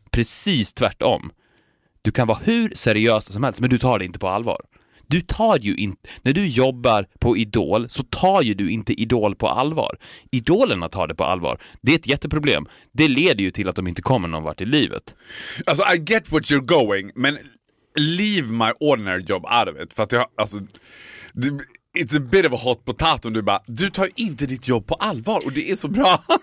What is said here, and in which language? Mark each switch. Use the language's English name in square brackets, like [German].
[Swedish] Precis tvärtom. Du kan vara hur seriös som helst, men du tar det inte på allvar. Du tar ju inte, när du jobbar på Idol, så tar ju du inte Idol på allvar. Idolerna tar det på allvar. Det är ett jätteproblem. Det leder ju till att de inte kommer någon vart i livet. Alltså, [English] I get what you're going, [Swedish] men [English] leave my ordinary job out of it. [Swedish] För att jag, alltså, [English] it's a bit of a hot potato. [Swedish] Om du bara, du tar inte ditt jobb på allvar och det är så bra.